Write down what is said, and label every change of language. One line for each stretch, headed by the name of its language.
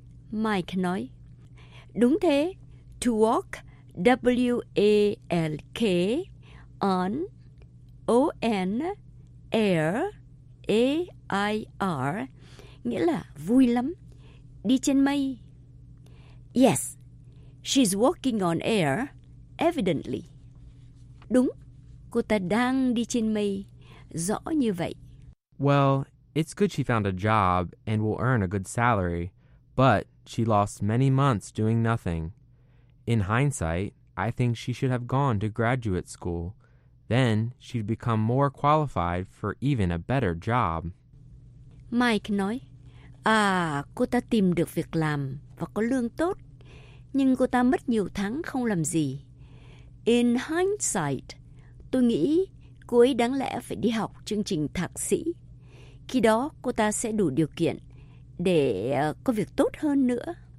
Vietnamese: Mike nói, đúng thế,
English: to walk, W-A-L-K, on, O-N, air, A-I-R,
Vietnamese: nghĩa là vui lắm, đi trên mây.
English: Yes, she's walking on air. Evidently.
Vietnamese: Đúng, cô ta đang đi trên mây, rõ như vậy.
English: Well, it's good she found a job and will earn a good salary, but she lost many months doing nothing. In hindsight, I think she should have gone to graduate school. Then she'd become more qualified for even a better job.
Vietnamese: Mike nói, à, cô ta tìm được việc làm và có lương tốt, nhưng cô ta mất nhiều tháng không làm gì.
English: In hindsight,
Vietnamese: tôi nghĩ cô ấy đáng lẽ phải đi học chương trình thạc sĩ. Khi đó cô ta sẽ đủ điều kiện để có việc tốt hơn nữa.